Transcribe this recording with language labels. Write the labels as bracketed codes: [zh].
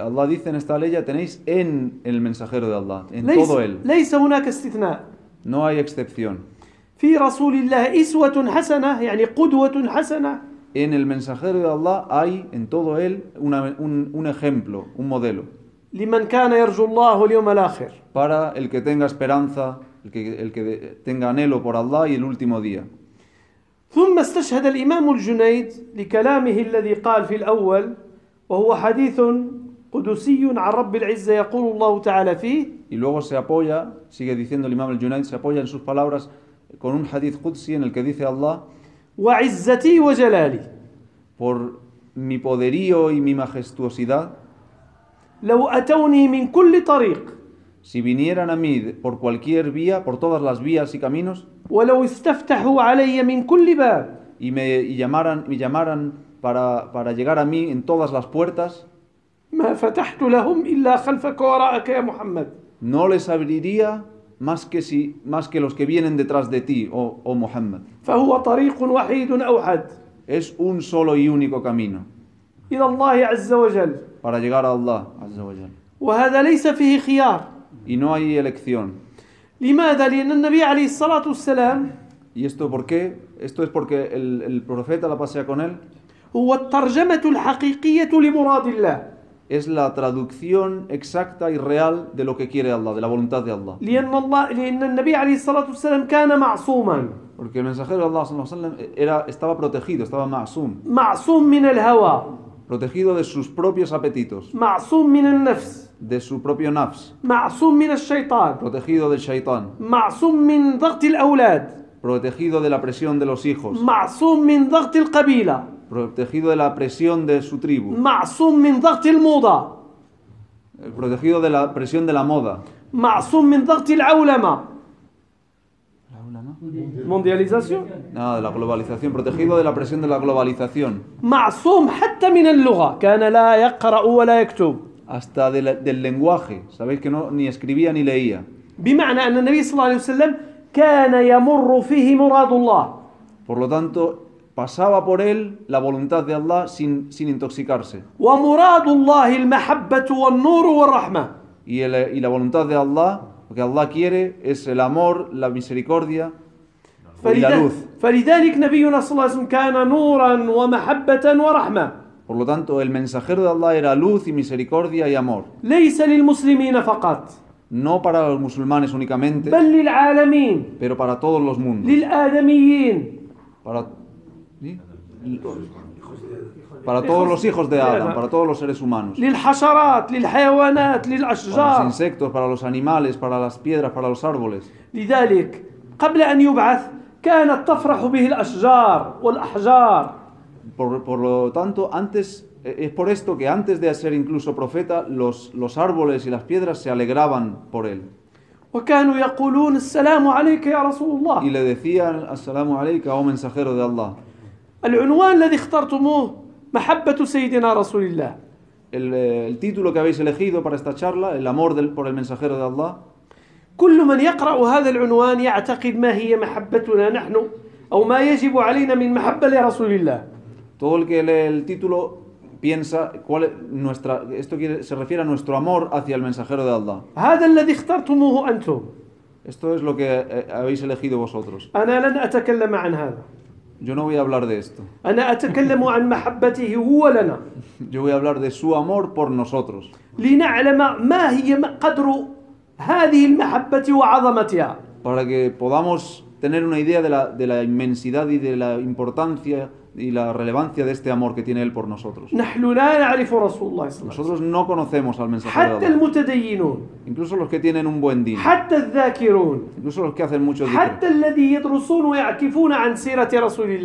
[es] Allah dice en esta ley tenéis en el mensajero de Allah, en todo él. [ar] ليس هناك استثناء. [es] No hay excepción. [ar] في رسول الله إسوة حسنة يعني قدوة حسنة. [es] En el mensajero de Allah hay en todo él un ejemplo, un modelo. [ar] لمن كان يرجو الله اليوم الآخر. [es] Para el que tenga esperanza, el que tenga anhelo por Allah y el último día. [ar] ثم استشهد الإمام الجنيد لكلامه الذي قال في الأول وهو حديث قدسي عن رب العزة يقول الله تعالى فيه. [es] Y luego se apoya, sigue diciendo el Imam al-Junayd, se apoya en sus palabras con un hadith qudsi en el que dice Allah [ar] وَعِزَّتِي وَجَلَالِي [es] por mi poderío y mi majestuosidad [ar] لَوْ أَتَوْنِي مِنْ كُلِّ طَرِيقٍ [es] si vinieran a mí por cualquier vía, por todas las vías y caminos [ar] وَلَوْ اسْتَفْتَحُوا عَلَيَّ مِنْ كُلِّ بَابٍ [es] y me llamaran para llegar a mí en todas las puertas [ar] ما فتحت لهم إلا خلفك وراءك يا محمد. [es] No les abriría más que los que vienen detrás de ti, oh Muhammad. [ar] فهو طريق وحيد أوحد. [es] Es un solo y único camino. [ar] إلى الله عز وجل. [es] Para llegar a Allah [ar] عز وجل. وهذا ليس فيه خيار. [es] Y no hay elección. [ar] لماذا؟ لأن النبي عليه الصلاة والسلام. [es] Y esto por qué? Esto es porque el profeta la pasea con él. هو الترجمة الحقيقية لمراد الله. Es la traducción exacta y real de lo que quiere Allah, de la voluntad de Allah. Porque el mensajero de Allah estaba protegido, estaba ma'sum. [ar] Ma'sum min al-hawa. [es] Protegido de sus propios apetitos. [ar] Ma'sum min al-nafs. [es] De su propio nafs. [ar] Ma'sum min al-shaytan. [es] Protegido del shaytan. [ar] Ma'sum min dhaght al-awlad. [es] Protegido de la presión de los hijos. [ar] Ma'sum min dhaght al-qabila. [es] Protegido de la presión de su tribu. [ar] معصوم من ضغط الموضة. [es] protegido de la presión de la moda. [ar] معصوم من ضغط العولمة. [es] Mundialización. No, de la globalización. Protegido de la presión de la globalización. [ar] معصوم حتى من اللغة. كان لا يقرأ ولا يكتب. [es] Hasta del lenguaje. Sabéis que no ni escribía ni leía. [ar] بمعنى أن النبي صلى الله عليه وسلم كان يمر فيه مراد الله. [es] Por lo tanto, pasaba por él la voluntad de Allah sin intoxicarse. [ar] ومراد الله المحبة والنور والرحمة. [es] Y la voluntad de Allah, lo que Allah quiere es el amor, la misericordia y la luz. [ar] فلذلك نبينا صلى الله عليه وسلم كان نورا ومحبة ورحمة. [es] Por lo tanto, el mensajero de Allah era luz y misericordia y amor. [ar] ليس للمسلمين فقط. [es] No para los musulmanes únicamente. [ar] بل للعالمين. [es] Pero para todos los mundos. [ar] للآدميين. [es] Para todos los hijos de Adán, para todos los seres humanos. [ar] للحشرات, للحيوانات, للأشجار. [es] Para los insectos, para los animales, para las piedras, para los árboles. [ar] لذلك قبل أن يبعث كانت تفرح به الأشجار والأحجار. [es] Por lo tanto, antes es por esto que antes de ser incluso profeta, los árboles y las piedras se alegraban por él. [ar] وكانوا يقولون السلام عليك يا رسول الله. [es] Y le decían [ar] السلام عليك [es] oh mensajero de Allah. [ar] العنوان الذي اخترتموه محبة سيدنا رسول الله. [es] El título que habéis elegido para esta charla, el amor por el mensajero de Allah. [ar] كل من يقرأ هذا العنوان يعتقد ما هي محبتنا نحن أو ما يجب علينا من محبة لرسول الله. [es] Todo el que lee el título piensa cuál es nuestra, esto quiere, se refiere a nuestro amor hacia el mensajero de Allah. [ar] هذا الذي اخترتموه أنتم. [es] Esto es lo que habéis elegido vosotros. [ar] أنا لن أتكلم عن هذا. [es] Yo no voy a hablar de esto. [ar] أنا أتكلم عن محبته هو لنا. [es] Yo voy a hablar de su amor por nosotros. [ar] لنعلم ما هي قدر هذه المحبة وعظمتها. [es] Para que podamos tener una idea de la inmensidad y de la importancia y la relevancia de este amor que tiene él por nosotros. Nosotros no conocemos al mensajero de Allah. Incluso los que tienen un buen din. Incluso los que hacen mucho dhikr.